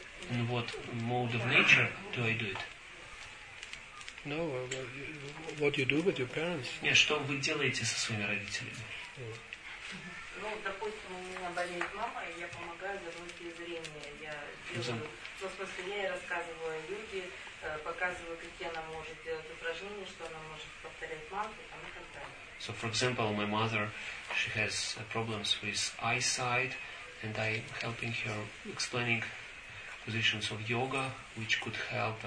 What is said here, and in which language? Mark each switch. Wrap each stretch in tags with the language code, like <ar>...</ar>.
<en>And what mode of nature do I do it? No, what you do with your parents?</en> <ru>Нет, что вы делаете со своими родителями? Ну, допустим, у меня болеет мама, и я помогаю вернуть ей зрение. Ну, в смысле, я ей рассказываю о йоге, показываю, какие она может делать упражнения, что она может повторять мантры, там и так далее.</ru> <en>So, for example, my mother, she has problems with eyesight, and I'm helping her explaining positions of yoga, which could help.</en>